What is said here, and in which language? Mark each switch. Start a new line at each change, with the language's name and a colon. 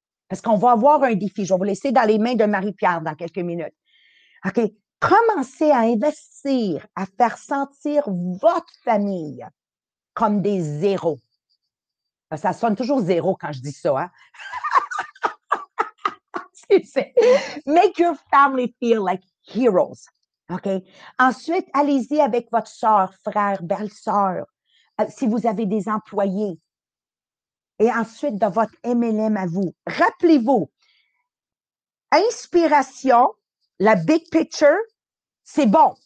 French: Parce qu'on va avoir un défi. Je vais vous laisser dans les mains de Marie-Pierre dans quelques minutes. OK? Commencez à investir, à faire sentir votre famille comme des zéros. Ça sonne toujours zéro quand je dis ça, hein?
English: Make your family feel like heroes. OK?
French: Ensuite, allez-y avec votre sœur, frère, belle-sœur, si vous avez des employés. Et ensuite, de votre MLM à vous. Rappelez-vous, inspiration, la big picture, c'est bon.